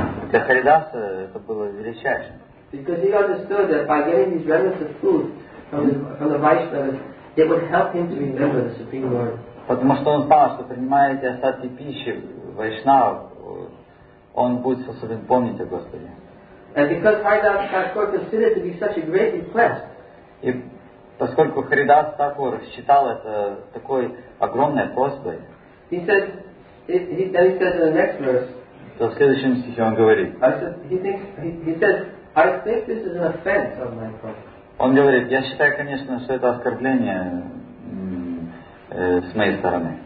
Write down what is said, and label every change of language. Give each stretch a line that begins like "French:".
Russian: Для Харидаса это было величайшим.
English: Because he understood that by getting these remnants of food from the Vaishnavas, it would help him to remember the Supreme Lord.
Russian: Потому что он знал, что принимая эти остатки пищи вайшнава, он будет способен помнить о Господе.
English: And because Haridas Thakur considered it to be such a great request.
Russian: И поскольку Харидас Такур считал это такой огромной просьбой.
English: He said in the next verse.
Russian: То в следующем стихе он говорит.
English: He says, I think this is an offense of my part.
Russian: Он говорит, я считаю, конечно, что это оскорбление с моей стороны.